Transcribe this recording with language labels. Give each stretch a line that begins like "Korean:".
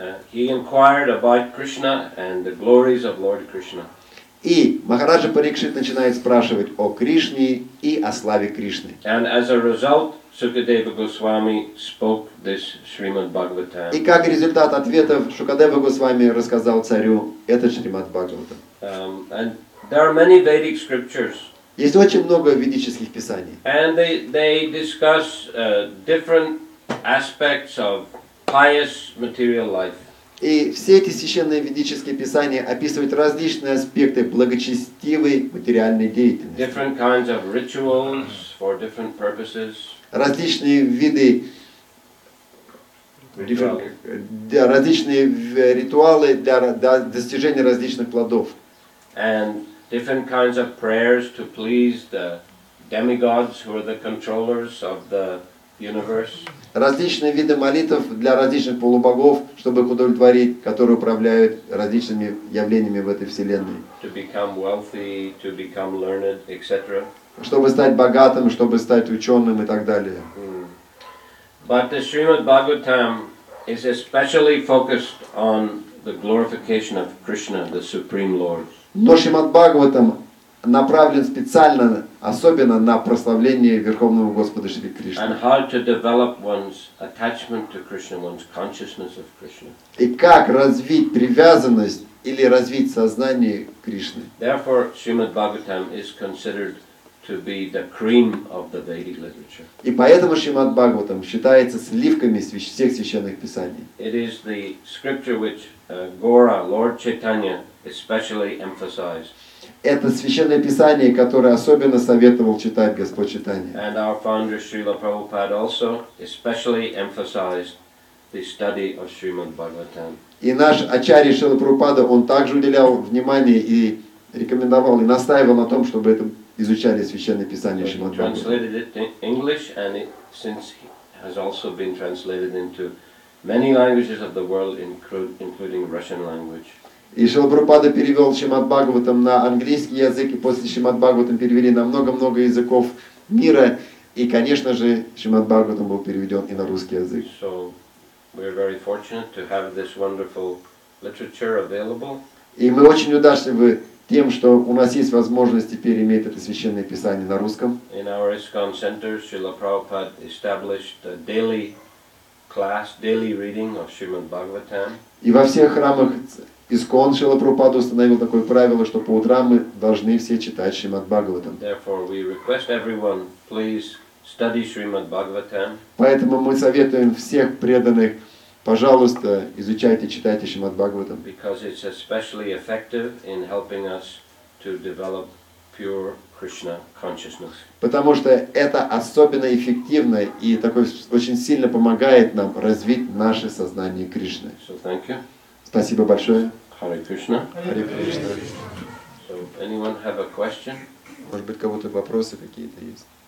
English: He inquired about Krishna and the glories of Lord Krishna.
Russian: И Махараджа Парикшит начинает спрашивать о Кришне и о славе Кришны.
English: And as a result, Sukadeva Goswami spoke this Srimad Bhagavatam.
Russian: И как результат ответов Шукадева Госвами рассказал царю этот Шримад Бхагаватам.
English: And there are many Vedic scriptures.
Russian: Есть очень много ведических писаний.
English: And they discuss different aspects of pious material life.
Russian: И все эти священные ведические писания описывают различные аспекты благочестивой материальной деятельности.
English: Different kinds of rituals for different purposes.
Russian: Различные виды, различные ритуалы для достижения различных плодов.
English: And different kinds of prayers to please the demigods who are the controllers of the universe.
Russian: Различные виды молитв для различных полубогов, чтобы их удовлетворить, которые управляют различными явлениями в этой вселенной.
English: To become wealthy, to become learned, etc.
Russian: Чтобы стать богатым, чтобы стать ученым и так далее.
English: But the Srimad Bhagavatam is especially focused on the glorification of Krishna, the Supreme Lord.
Russian: Но Шримад Бхагаватам направлен специально, особенно на прославление Верховного Господа Шри Кришны.
English: And how to develop one's attachment to Krishna, one's consciousness of Krishna.
Russian: И как развить привязанность или развить сознание Кришны.
English: Therefore, Srimad Bhagavatam is considered to be the cream of the Vedic literature.
Russian: И поэтому Шримад Бхагаватам считается сливками всех священных писаний.
English: It is the scripture which Gaura, Lord Chaitanya, especially emphasized.
Russian: Это священное писание, которое особенно советовал читать Господь Чайтанья.
English: And our founder Srila Prabhupada also especially emphasized the study of Srimad Bhagavatam.
Russian: И наш ачарья Шрила Прабхупада, он также уделял внимание и рекомендовал и настаивал на том, чтобы это изучали священное писание Шримад Бхагаватам.
English: Translated it in English, and it, since it has also been translated into many languages of the world, including Russian language.
Russian: И Шрила Прабхупада перевел Шримад Бхагаватам на английский язык, и после Шримад Бхагаватам перевели на много-много языков мира, и, конечно же, Шримад Бхагаватам был переведен и на русский язык.
English: So, we are very fortunate to have this wonderful literature available.
Russian: И мы очень удачливы тем, что у нас есть возможность теперь иметь это священное писание на русском.
English: In our ISKCON center, Srila Prabhupada established a daily class, daily reading of Srimad Bhagavatam.
Russian: И во всех храмах ИСККОН Шрила Прабхупада установил такое правило, что по утрам мы должны все читать Шримад Бхагаватам.
English: Therefore, we request everyone, please study Srimad Bhagavatam.
Russian: Поэтому мы советуем всех преданных, пожалуйста, изучайте, читайте Шримад Бхагаватам.
English: Because it's especially effective in helping us to develop pure Krishna consciousness.
Russian: Потому что это особенно эффективно и такое очень сильно помогает нам развить наше сознание Кришны.
English: So thank you.
Russian: Спасибо большое. Харе Кришна. Харе Кришна.
English: So, anyone have a question?
Russian: Может быть, кого-то вопросы какие-то есть?